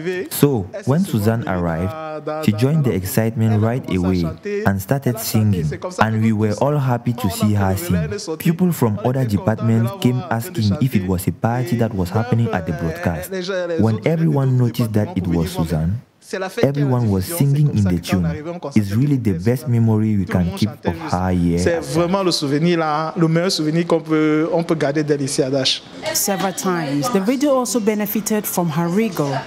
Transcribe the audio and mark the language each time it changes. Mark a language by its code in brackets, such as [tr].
[en] So, when Suzanne arrived, she joined the excitement right away and started singing, and we were all happy to see her sing. People from other departments came asking if it was a party that was happening at the broadcast. When everyone noticed that it was Suzanne, everyone was singing in the tune. It's really the best memory we can keep of her here. [fr] C'est vraiment le souvenir là, le meilleur souvenir qu'on peut garder d'elle ici à Dash. [en] Several times, the video also benefited from her regal.